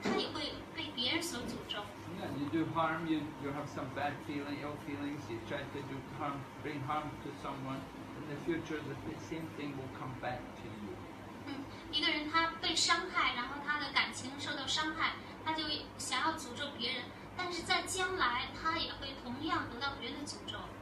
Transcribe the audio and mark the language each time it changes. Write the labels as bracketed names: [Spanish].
[Chinese] 那如果一个人他心情不好的时候，他要诅咒别的时候，那么结果就是他未来他也会被别人所诅咒。Yeah, [English] you do harm, you have some bad feeling, ill feelings, you try to do harm, bring harm to someone, in the future the same thing will come back to you. [Chinese] 一个人他被伤害，然后他的感情受到伤害，他就想要诅咒别人，但是在将来他也会同样得到别人的诅咒。